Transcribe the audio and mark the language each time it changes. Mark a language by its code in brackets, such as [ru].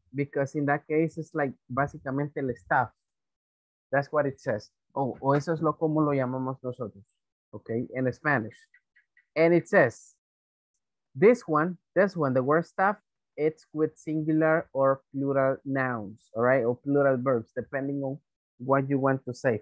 [en] Because in that case, it's like [es] básicamente el staff. [en] That's what it says. [es] Oh, o eso es lo como lo llamamos nosotros, okay, [en] in Spanish. And it says, this one, the word staff, it's with singular or plural nouns, all right, or plural verbs, depending on what you want to say.